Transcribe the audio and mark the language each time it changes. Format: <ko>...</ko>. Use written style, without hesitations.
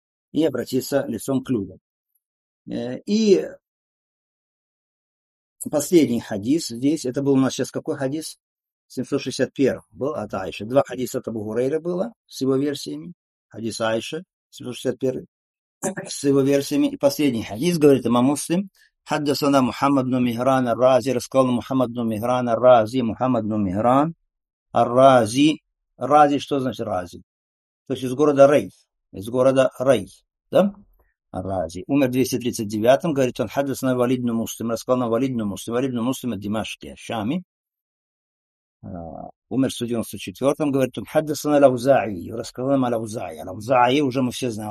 <ru>И обратиться лицом к людям. И последний хадис здесь, это был у нас сейчас какой хадис? 761 был от Айши. Два хадиса от Абу Гурейры было с его версиями. Хадис Айши, 761, с его версиями. И последний хадис, говорит имам Муслим,</ru> <ar>حدثنا محمد بن مهران الرازي</ar> <ru>رسول محمد بن مهران الرازي محمد بن مهران الرازي الرازي что значит рази? То есть из города Рей. Из города Рей. Да? Рази. Умер в 239-м. Говорит он,</ru> <ar>حدثنا وليد بن مسلم.</ar> <ru>Рассказал нам وليد بن مسلم. وليد بن مسلم от Димашки, Шами. Умер в 194-м. Говорит он,</ru> <ar>حدثنا الأوزاعي.</ar> <ru>Рассказал нам الأوزاعي. الأوزاعي уже мы все знаем.</ru>